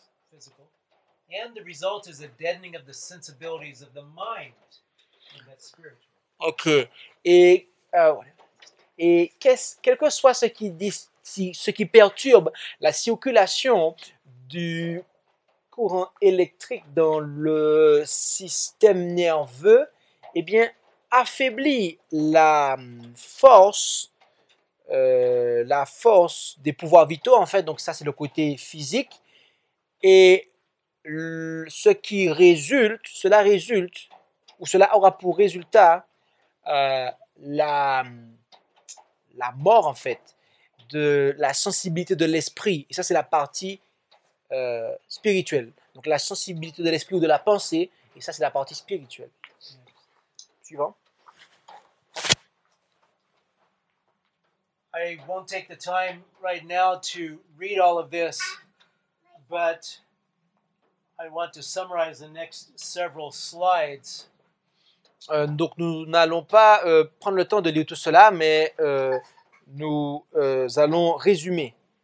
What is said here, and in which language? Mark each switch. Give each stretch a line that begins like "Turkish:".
English: Physical, and the result is a deadening of the sensibilities of the mind, and that's spiritual. Okay.
French: Et quel que soit ce qui perturbe la circulation du courant électrique dans le système nerveux, eh bien, affaiblit la force des pouvoirs vitaux, en fait, donc ça c'est le côté physique, et cela aura pour résultat la mort, en fait, de la sensibilité de l'esprit, et ça c'est la partie spirituelle, donc la sensibilité de l'esprit ou de la pensée, et ça c'est la partie spirituelle. Suivant.
English: I won't take the time right now to read all of this, but I want to summarize the next several slides.
French: Donc nous n'allons pas prendre le temps de lire tout cela, mais nous allons résumer.